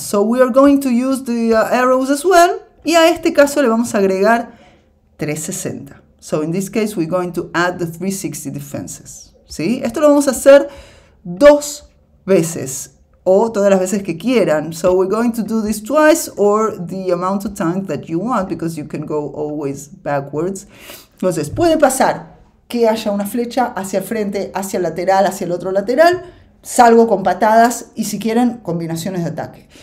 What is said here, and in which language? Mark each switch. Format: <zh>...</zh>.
<en>So we are going to use the arrows as well.</en> <es>Y a este caso le vamos a agregar 360.</es> <en>So in this case, we're going to add the 360 defenses.</en> <es>¿Sí? Esto lo vamos a hacer dos veces o todas las veces que quieran.</es> <en>So we're going to do this twice or the amount of time that you want because you can go always backwards.</en> <es>Entonces, puede pasar que haya una flecha hacia el frente, hacia el lateral, hacia el otro lateral. Salgo con patadas y si quieren, combinaciones de ataque.</es>